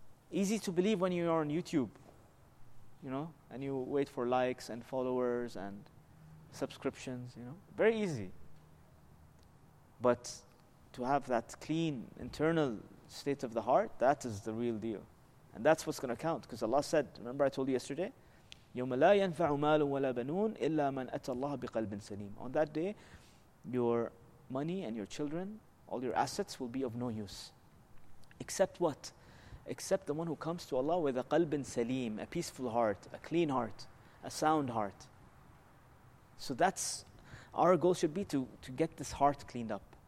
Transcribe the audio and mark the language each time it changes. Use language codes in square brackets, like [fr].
[en] Easy to believe when you are on YouTube. You know, and you wait for likes and followers and subscriptions, you know. Very easy. But to have that clean internal state of the heart, that is the real deal. And that's what's going to count. Because Allah said, remember I told you yesterday, [ar] يَوْمَ لَا يَنْفَعُ مَالٌ وَلَا بَنُونَ إِلَّا مَنْ أَتَى اللَّهَ بِقَلْبٍ سَلِيمٍ. [en] On that day, your money and your children, all your assets will be of no use. Except what? Except the one who comes to Allah with a qalbin salim, a peaceful heart, a clean heart, a sound heart. So that's, our goal should be to get this heart cleaned up.